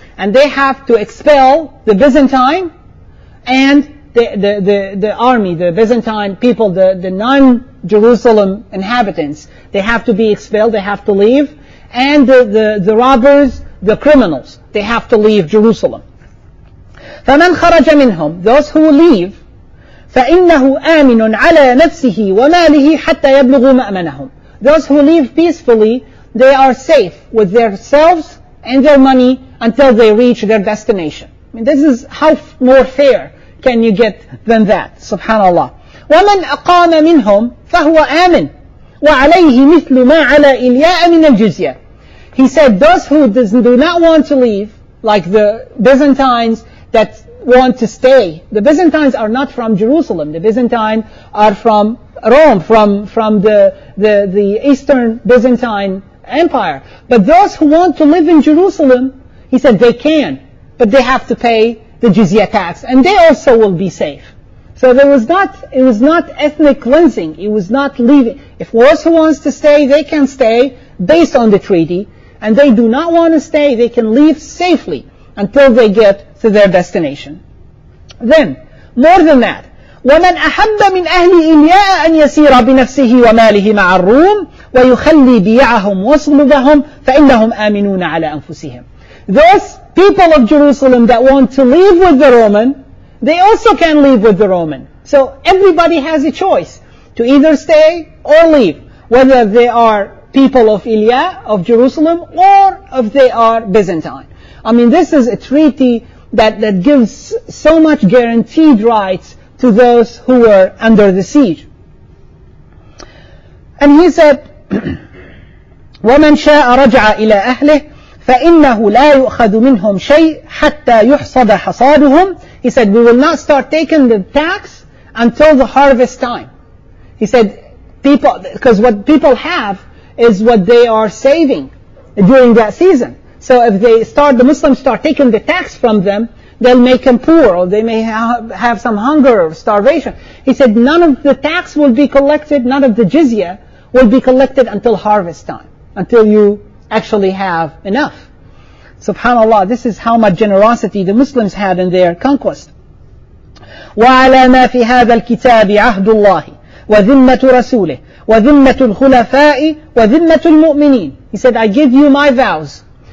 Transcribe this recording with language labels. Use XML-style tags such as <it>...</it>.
<en>And they have to expel the Byzantine and the army, the Byzantine people, the non-Jerusalem inhabitants. They have to be expelled, they have to leave. And the robbers, the criminals, they have to leave Jerusalem.</en> <ar>فَمَنْ خَرَجَ مِنْهُمْ.</ar> <en>Those who leave,</en> <ar>فَإِنَّهُ آمِنٌ عَلَىٰ نَفْسِهِ وَمَالِهِ حَتَّى يَبْلُغُوا مَأْمَنَهُمْ.</ar> <en>Those who leave peacefully, they are safe with themselves and their money until they reach their destination. I mean, this is how more fair can you get than that?</en> <ar>Subhanallah. وَمَنْ أَقَامَ مِنْهُمْ فَهُوَ آمِنٌ وَعَلَيْهِ مِثْلُ مَا عَلَىٰ إِلْيَاءَ مِنَ الْجِزْيَةِ.</ar> <en>He said, those who do not want to leave, like the Byzantines that want to stay. The Byzantines are not from Jerusalem. The Byzantines are from Rome, from the Eastern Byzantine Empire. But those who want to live in Jerusalem, he said they can, but they have to pay the jizya tax, and they also will be safe. So there was not, it was not ethnic cleansing. It was not leaving. If those who wants to stay, they can stay based on the treaty, and they do not want to stay, they can leave safely until they get to their destination. Then, more than that,</en> <ar>وَمَنْ أَحَبَّ مِنْ أَهْلِ إِلْيَاءَ أَنْ يَسِيرَ بِنَفْسِهِ وَمَالِهِ مَعَ الرُّومِ وَيُخَلِّي بِيَعَهُمْ وَصُلُبَهُمْ فَإِنَّهُمْ آمِنُونَ عَلَىٰ أَنفُسِهِمْ.</ar> <en>Those people of Jerusalem that want to leave with the Roman, they also can leave with the Roman. So everybody has a choice to either stay or leave, whether they are people of Ilia, of Jerusalem, or if they are Byzantine. I mean, this is a treaty that gives so much guaranteed rights to those who were under the siege.</en> <ar>And he said, وَمَنْ شَاءَ رَجْعَ إِلَىٰ أَهْلِهِ فَإِنَّهُ لَا يُؤْخَذُ مِنْهُمْ شَيْءٍ حَتَّى يُحْصَدَ حَصَادُهُمْ.</ar> <en>He said, we will not start taking the tax until the harvest time. He said, because what people have is what they are saving during that season. So if the Muslims start taking the tax from them, they'll make them poor, or they may have some hunger or starvation. He said, none of the tax will be collected, none of the jizya will be collected until harvest time, until you actually have enough. SubhanAllah, this is how much generosity the Muslims had in their conquest.</en> <ar>وَعَلَى مَا فِي هَذَا الْكِتَابِ عَهْدُ اللَّهِ وَذِمَّةُ رَسُولِهِ وَذِمَّةُ الْخُلَفَاءِ وَذِمَّةُ الْمُؤْمِنِينَ.</ar> <en>He said, I give you my vows.</en>